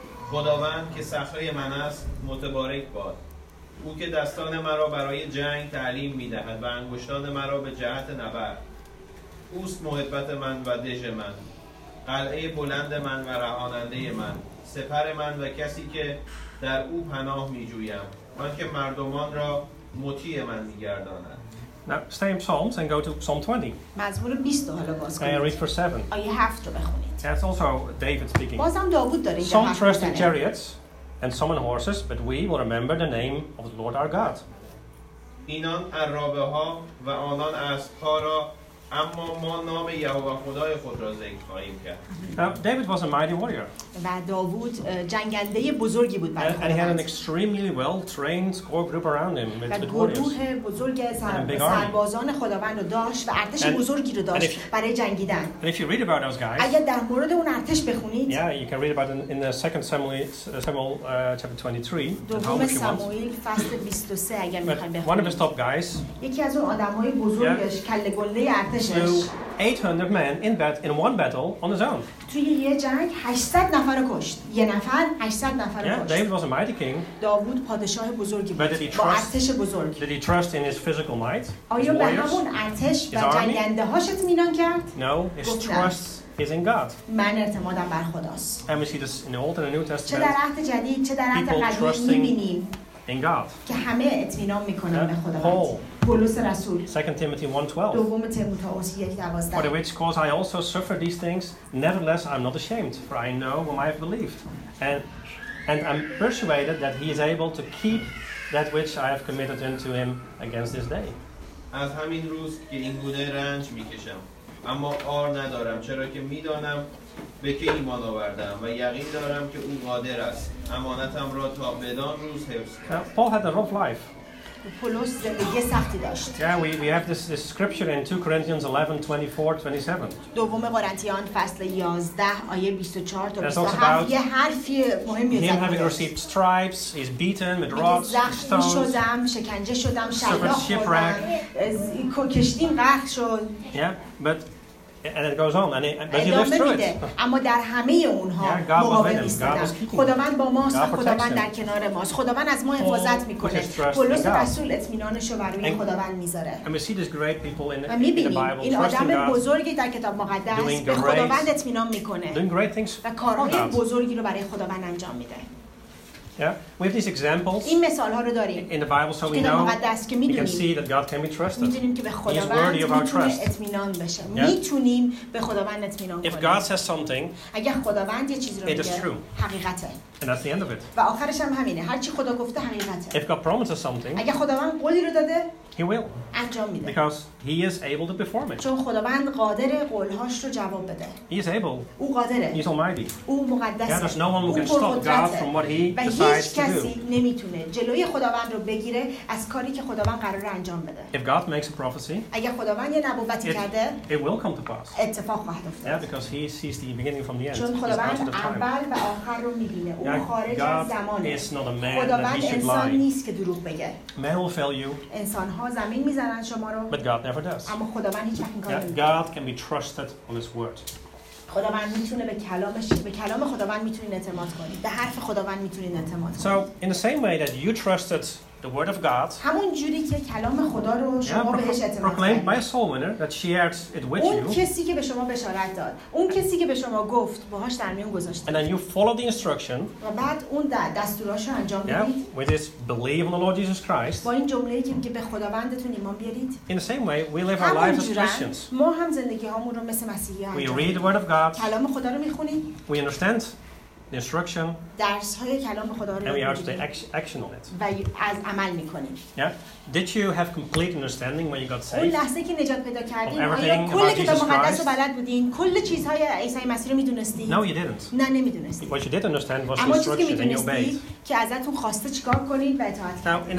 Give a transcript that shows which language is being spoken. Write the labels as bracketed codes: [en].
[fa] خداوند که صخره من است متبارک باد او که دستان مرا برای جنگ تعلیم می‌دهد و انگشتان مرا به جهت نبرد اوست محبت من و دژ من قلعه بلند من و رهاننده من سپر من و کسی که در او پناه می‌جویم آن که مردمان را مطیع من می‌گرداند. [en] Now stay in Psalms and go to Psalm 20. [fa] مزمور 20 حالا باز کنید. [en] I read for 7. [fa] آیه 7 رو بخونید. [en] That's also David speaking. [fa] بازم داوود داره اینجا. [en] Some trust in chariots and some in horses, but we will remember the name of the Lord our God. [fa] اینان عرابه ها و آنان اسب ها را اما ما نام یهوه خدای خود را ذکر خواهیم کرد. [en] David was a mighty warrior. [fa] و داوود جنگنده بزرگی بود. [en] And he had an extremely well-trained core group around him. [fa] و گروه بزرگ سربازان خداوند رو داشت و ارتش بزرگی رو داشت برای جنگیدن. [en] And if you read about those guys, [fa] اگر در مورد اون ارتش بخونید. [en] Yeah, you can read about it in the 2 Samuel chapter 23. [fa] دوم سموئیل فصل 23 اگر می‌خواید بخونید. [en] One of his top guys. [fa] یکی از اون آدم‌های بزرگش کله گله [en] to 800 men in one battle on his own. [fa] توی یه جنگ 800 نفر کشت. یه نفر 800 نفر کشت. [en] David was a mighty king. [fa] داوود پادشاه بزرگی بود. با ارتش بزرگ. [en] Did he trust in his physical might? [fa] آیا به همون ارتش و جنگنده‌هاش اطمینان کرد؟ [en] No, his trust is in God. [fa] من اعتمادم بر خداست. [en] And we see this in the Old and the New Testament. [fa] چه در عهد جدید چه در عهد قدیم می‌بینیم. [en] In God. [fa] که همه اطمینان می‌کنن به خداوند. پولس رسول [en] 2 Timothy 1:12 [fa] دوم تیموتائوس 1:12 [en] For the which cause I also suffer these things, nevertheless I'm not ashamed, for I know whom I have believed, and I'm persuaded that he is able to keep that which I have committed unto him against this day. [fa] از همین روز که این گونه رنج می‌کشم اما آر ندارم چرا که می‌دانم به که ایمان آوردم و یقین دارم که او قادر است امانتم را تا بدان روز حفظ کند. [en] Paul had a rough life. [fa] پولس زندگی سختی داشت. [en] Yeah, we have this scripture in 2 Corinthians 11:24, 27. [fa] دوم قرنتیان فصل 11 آیه 24 تا 27 یه حرفی مهمی زد. [en] He having received stripes, he's beaten with rods, stones. [fa] شدم، شکنجه شدم، شلاق خوردم. کشتیم غرق شد. Yeah, but and it goes on and but he lives through it. اما در همه اونها خداوند با ماست، خداوند در کنار ماست، خداوند از ما حفاظت میکنه. پولس رسول اطمینانش رو بر روی خداوند میذاره. و میبینیم این آدم بزرگی در کتاب مقدس به خداوند اطمینان میکنه و کارهای بزرگی رو برای خداوند انجام میده. [en] Yeah, we have these examples. [fa] این مثال‌ها رو داریم. [en] In the Bible, so we know. We can see that God can be trusted. He is worthy of our trust. [fa] اطمینان بشه. میتونیم به خداوند اطمینان کنیم. [en] If God says something, [fa] اگر خداوند یه چیزی رو بگه, [en] it is true. [fa] حقیقته. [en] And that's the end of it. [fa] و آخرش هم همینه. هر چی خدا گفته حقیقته. [en] If God promises something, [fa] اگر خداوند قولی رو داده, [en] he will. [fa] انجام میده. [en] Because he is able to perform it. [fa] چون خداوند قادر قول‌هاش رو جواب بده. [en] He is able. [fa] او قادره. [en] He is almighty. [fa] او مقدسه. [en] Yeah, there's no one who can stop God from what he [fa] هیچ کسی نمیتونه جلوی خداوند رو بگیره از کاری که خداوند قراره انجام بده. [en] If God makes a prophecy, [fa] اگر خداوند یه نبوتی کرده, [en] it will come to pass. [fa] اتفاق خواهد افتاد. [en] Yeah, because he sees the beginning from the end. [fa] چون خداوند اول و آخر رو میبینه. او خارج از زمانه. [en] God is not a man. [fa] خداوند [en] that he [fa] انسان [en] lie. [fa] نیست که دروغ بگه. [en] Man will fail you. [fa] انسان‌ها زمین میزنن شما رو. [en] But God never does. [fa] اما خداوند هیچ وقت این کارو نمی‌کنه. [en] Yeah, God can be trusted on his word. [fa] خداوند میتونه به کلامش به کلام خداوند میتونین اعتماد کنید به حرف خداوند میتونین اعتماد کنید. [en] So in the same way that you trusted the word of God, [fa] همون جوری که کلام خدا رو شما بهش اعتماد کردید. [en] Proclaimed by a soul winner that shared it with you. [fa] اون کسی که به شما بشارت داد. اون کسی که به شما گفت باهاش در میون گذاشتید. [en] And then you followed the instruction. [fa] و بعد اون دستوراشو انجام دادید. [en] With this believe on the Lord Jesus Christ. [fa] با این جمله‌ای که به خداوندتون ایمان بیارید. [en] In the same way we live our lives as Christians. [fa] ما هم زندگی هامون رو مثل مسیحی انجام میدیم. [en] We read the word of God. [fa] کلام خدا رو میخونیم. [en] We understand the instruction. [fa] درس های کلام خدا رو [en] and we are to take action on it. [fa] و از عمل میکنیم. [en] Yeah. Did you have complete understanding when you got saved? [fa] اون لحظه که نجات پیدا کردین، آیا کل کتاب مقدس رو بلد بودین؟ کل چیزهای عیسی مسیح رو میدونستین؟ [en] No, you didn't. [fa] نه نمیدونستین. [en] What you did understand was instruction and you obeyed. [fa] که ازتون خواسته چیکار کنید و اطاعت کنید.